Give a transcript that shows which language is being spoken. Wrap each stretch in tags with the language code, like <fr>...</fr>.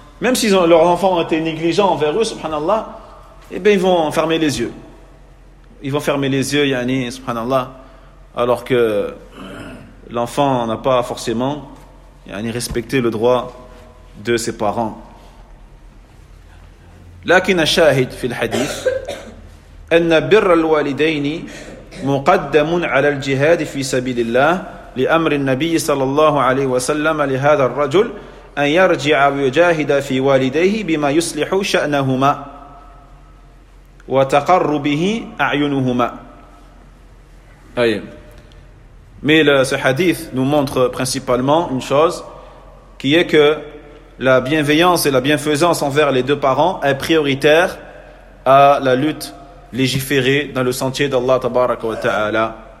<fr>Même si leurs enfants ont été négligents envers eux, subhanallah, eh bien, ils vont fermer les yeux. Ils vont fermer les yeux, yani, subhanallah, alors que l'enfant n'a pas forcément, yani, respecté le droit de ses parents.</fr> <ar>لكن الشاهد في الحديث أن بر الوالدين مقدم على الجهاد في سبيل الله لأمر النبي صلى الله عليه وسلم لهذا الرجل أن يرجع ويجاهد في والديه بما يصلح شأنهما وتقر به أعينهما. أي.</ar> <fr>Mais ce hadith nous montre principalement une chose qui est que la bienveillance et la bienfaisance envers les deux parents est prioritaire à la lutte légiférée dans le sentier d'Allah tabaraka wa ta'ala.</fr>